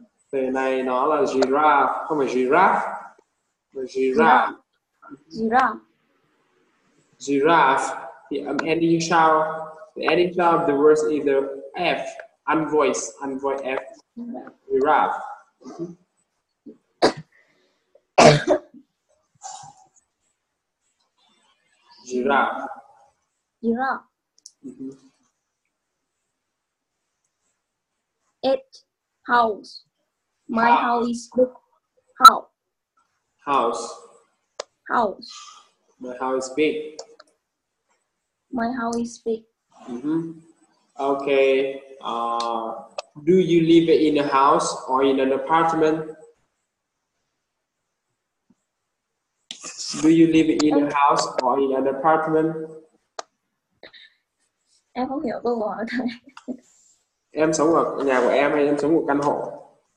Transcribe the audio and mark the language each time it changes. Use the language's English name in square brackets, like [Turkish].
[Vietnamese] Từ này nó là giraffe, không phải giraffe, mà giraffe. [English] Giraffe. Giraffe. [Vietnamese] Thì âm [English] ending sound, the ending sound of the word is either F, unvoiced, unvoiced F. Giraffe. Giraffe. Giraffe. It house. My house is big house. House. House. My house is big. My house is big. Mm-hmm. Okay. Do you live in a house or in an apartment? Do you live in a house or in an apartment? [Vietnamese] Em không hiểu câu hỏi này. Em sống ở nhà của em hay em sống ở căn hộ?